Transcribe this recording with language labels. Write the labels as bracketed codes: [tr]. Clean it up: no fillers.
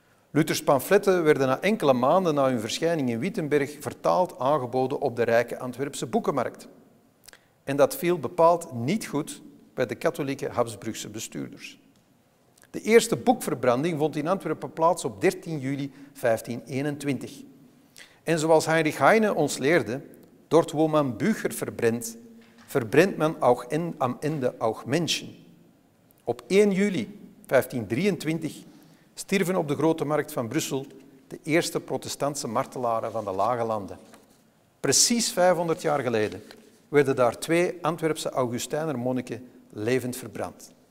[nl] Luthers pamfletten werden na enkele maanden na hun verschijning in Wittenberg vertaald aangeboden op de rijke Antwerpse boekenmarkt. En dat viel bepaald niet goed bij de katholieke Habsburgse bestuurders. De eerste boekverbranding vond in Antwerpen plaats op 13 juli 1521. En zoals Heinrich Heine ons leerde, [de] dort wo man Bücher verbrennt, verbrennt man auch am Ende auch Menschen. [nl] Op 1 juli 1523 stierven op de Grote Markt van Brussel de eerste protestantse martelaren van de Lage Landen. Precies 500 jaar geleden werden daar twee Antwerpse Augustijner monniken levend verbrand.